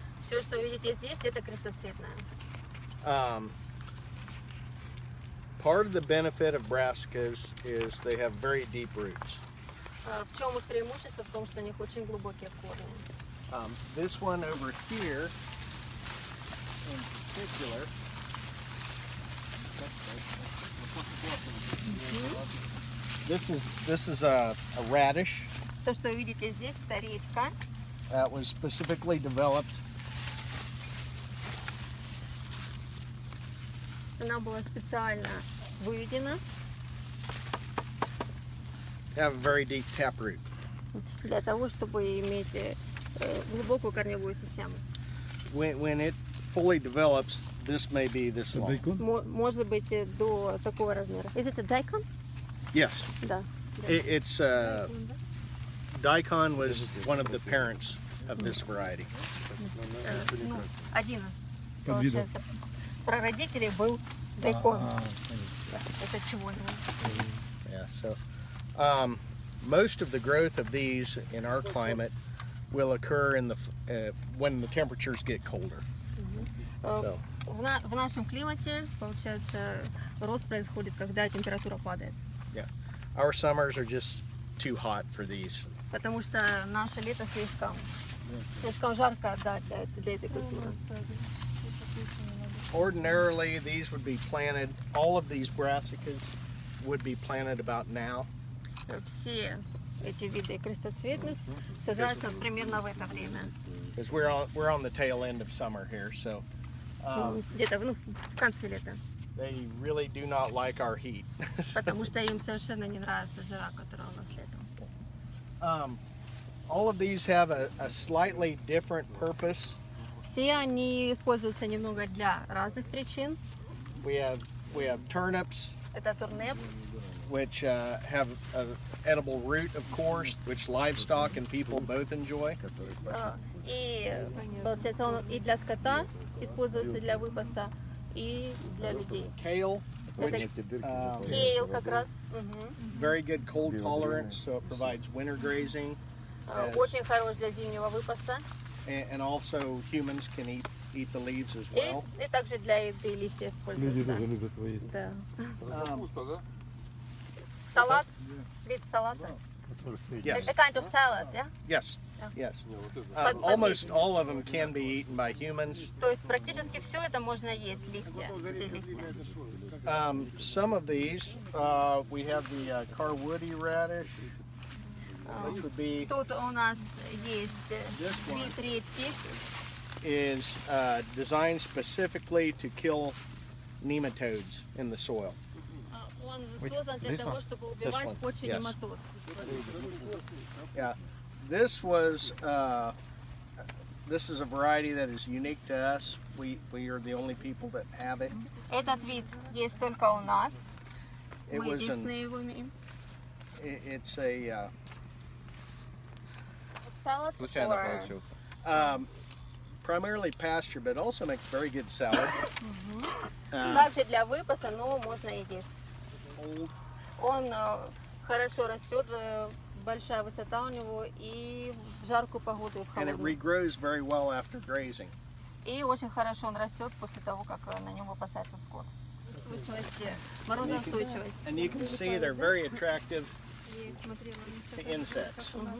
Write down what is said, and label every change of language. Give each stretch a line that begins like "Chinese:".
Russian: Все, что вы видите здесь, это крестоцветная.
English: Part of the benefit of brassicas is they have very deep roots.
Russian: В чем их преимущество? В том, что у них очень глубокие корни.
English: This one over here, in particular, this is a radish.
Russian: То, что вы видите здесь, это редька.
English: That was specifically developed.
Russian: Она была специально выведена.
English: Have a very deep taproot.
Russian: Для того, чтобы иметь глубокую корневую систему.
English: When it fully develops, this may be this long.
Russian: Может быть до такого размера.
English: Is it a daikon? Yes.
Russian: Да.
English: It's a daikon was one of the parents of this variety.
Russian: Один из. Прародителей был дайкон. Это чего?
English: Yeah. So. Most of the growth of these in our climate will occur in the when the temperatures get colder.
Russian: В нашем климате, получается, рост происходит, когда температура падает.
English: Yeah. Our summers are just too hot for these.
Russian: Потому что наше лето слишком жарко для этой культуры.
English: Ordinarily, these would be planted, all of these brassicas would be planted about now.
Russian: Все эти виды крестоцветных сажаются примерно в это время.
English: Because we're on the tail end of summer here, so.
Russian: Где-то в конце лета.
English: They really do not like our heat.
Russian: Потому что им совершенно не нравится жара, которая у нас летом.
English: All of these have a slightly different purpose.
Russian: Все они используются немного для разных причин.
English: We have turnips.
Russian: Это турнепс.
English: Which have an edible root, of course, which livestock and people both enjoy.
Russian: И получается он и для скота используется для выпаса и для людей.
English: Kale, which
Russian: kale как раз. Very good cold tolerance, so it provides winter grazing. Очень хорош для зимнего выпаса.
English: And also humans can eat the leaves as well.
Russian: И также для еды листья используются. Люди тоже любят его есть. Да. Капуста, да? Салат, вид салата.
English: Yes. A kind of salad, yeah? Yes. Yes. Almost all of them can be eaten by humans.
Russian: То есть практически все это можно есть, листья, все листья.
English: Some of these, we have the carwoody radish, which would be.
Russian: Тут у нас есть вид редьки.
English: Is designed specifically to kill nematodes in the soil.
Russian: Он создан для того, чтобы убивать почву нематод.
English: Yeah. This is a variety that is unique to us. We are the only people that have it.
Russian: Этот вид есть только у нас.
English: It was an, it's a salad.
Russian: Случайно получился.
English: Primarily pasture, but also makes very good salad.
Russian: Также для выпаса, но можно и есть. Он хорошо растет, большая высота у него и в жаркую погоду и в холодную.
English: And it regrows very well after grazing.
Russian: И очень хорошо он растет после того, как на него пасается скот. Морозоустойчивость.
English: And you can see they're very attractive to insects.